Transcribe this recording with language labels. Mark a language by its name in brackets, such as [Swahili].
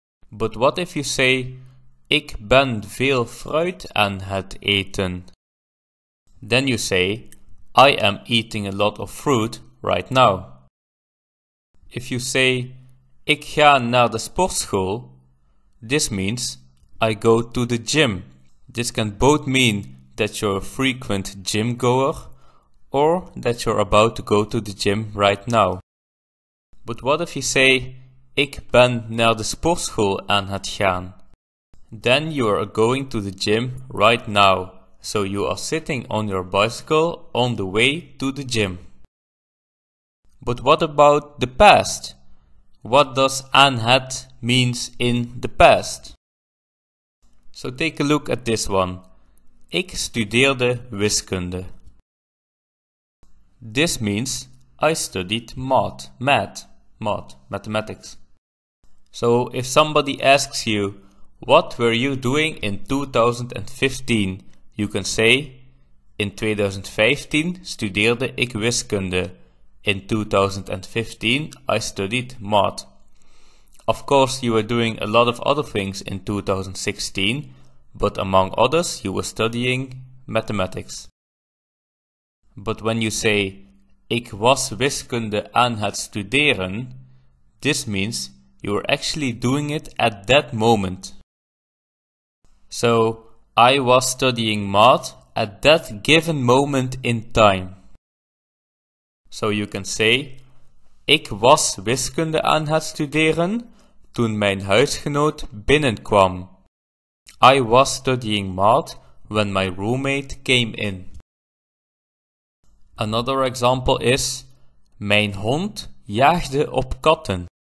[English] But what if you say [Dutch] ik ben veel fruit aan het eten? [English] Then you say I am eating a lot of fruit right now. If you say [Dutch] ik ga naar de sportschool, [English] this means I go to the gym. This can both mean that you're a frequent gym goer or that you're about to go to the gym right now. But what if you say [Dutch] ik ben naar de sportschool aan het gaan? [English] Then you are going to the gym right now. So you are sitting on your bicycle on the way to the gym. But what about the past? What does aan het means in the past? So take a look at this one. [Dutch] Ik studeerde wiskunde. [English] This means I studied math, mathematics. So if somebody asks you, what were you doing in 2015? You can say, in 2015 [Dutch] studeerde ik wiskunde. [English] In 2015 I studied math. Of course you were doing a lot of other things in 2016. But among others, you were studying mathematics. But when you say [Dutch] ik was wiskunde aan het studeren, [English] this means you were actually doing it at that moment. So, I was studying math at that given moment in time. So you can say [Dutch] ik was wiskunde aan het studeren toen mijn huisgenoot binnenkwam. [English] I was studying math when my roommate came in. Another example is [Dutch] mijn hond jaagde op katten.